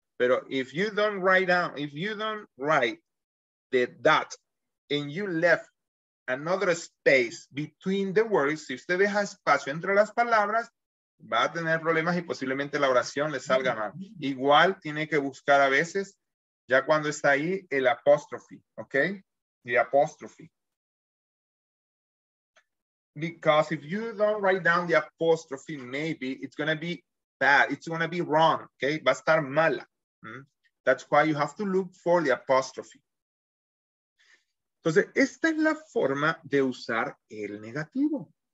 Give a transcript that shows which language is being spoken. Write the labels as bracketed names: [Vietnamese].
[English] Pero if you don't write down, if you don't write the dot and you left another space between the words, [Spanish] si usted deja espacio entre las palabras, va a tener problemas y posiblemente la oración le salga mal. Igual tiene que buscar a veces, ya cuando está ahí, el apóstrofe, ¿ok? [English] The apostrophe. Because if you don't write down the apostrophe, maybe it's going to be bad. It's going to be wrong. Okay? [Spanish] Va a estar mala. [English] That's why you have to look for the apostrophe. [Spanish] Entonces, esta es la forma de usar el negativo.